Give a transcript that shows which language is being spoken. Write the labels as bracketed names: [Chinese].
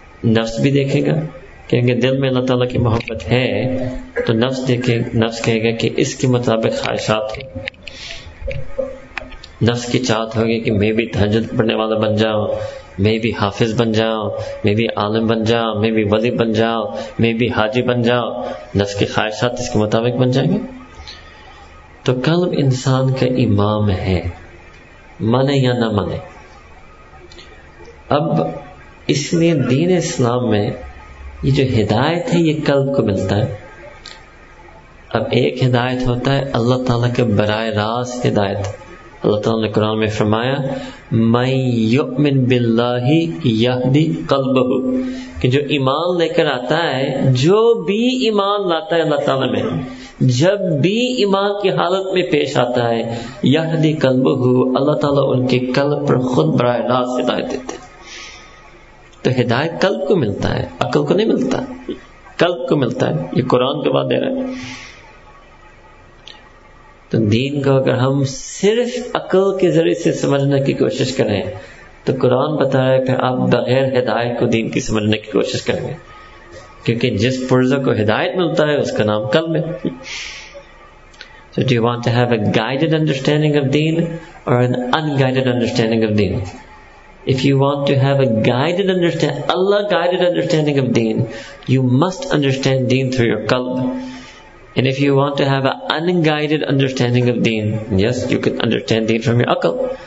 [Urdu] نفس بھی دیکھے گا کہیں گے دل میں اللہ تعالیٰ کی محبت ہے تو نفس دیکھے نفس کہے گا کہ اس کے مطابق خواہشات ہیں نفس کی چاہت ہوگی کہ میں بھی تہجد پڑھنے والا بن جاؤں میں بھی حافظ بن جاؤں میں بھی عالم بن جاؤں میں بھی ولی بن جاؤں میں بھی حاجی بن جاؤں نفس کی خواہشات اس کے مطابق بن جائیں گے تو قلب انسان کا امام ہے مانے یا نہ مانے اب اس لیے دین اسلام میں یہ جو ہدایت ہے یہ قلب کو ملتا ہے اب ایک ہدایت ہوتا ہے اللہ تعالیٰ کے براہ راست ہدایت Allah Ta'ala in the Quran may firmaya, [Arabic] مَنْ يُؤْمِن بِاللَّهِ يَهْدِ قَلْبَهُ. [Urdu] کہ جو ایمان لے کر آتا ہے, جو بھی ایمان لاتا ہے اللہ تعالیٰ میں, جب بھی ایمان کی حالت میں پیش آتا ہے, [Arabic] يَهْدِ قَلْبَهُ, [Urdu] اللہ تعالیٰ ان کے قلب پر خود براہ راست ہدایت دیتے ہیں. تو ہدایت قلب کو ملتا ہے, عقل کو نہیں ملتا, قلب کو ملتا ہے. یہ قرآن کے بعد دے رہا ہے. تو دین کو اگر ہم صرف عقل کے ذریعے سے سمجھنے کی کوشش کریں تو قرآن بتا رہا ہے کہ آپ بغیر ہدایت کو دین کی سمجھنے کی کوشش کریں گے, کیونکہ جس پرزہ کو ہدایت ملتا ہے اس کا نام قلب ہے. [English] So do you want to have a guided understanding of deen or an unguided understanding of deen? If you want to have a guided understanding, Allah guided understanding of deen, you must understand deen through your qalb. And if you want to have an unguided understanding of deen, yes, you can understand deen from your aql.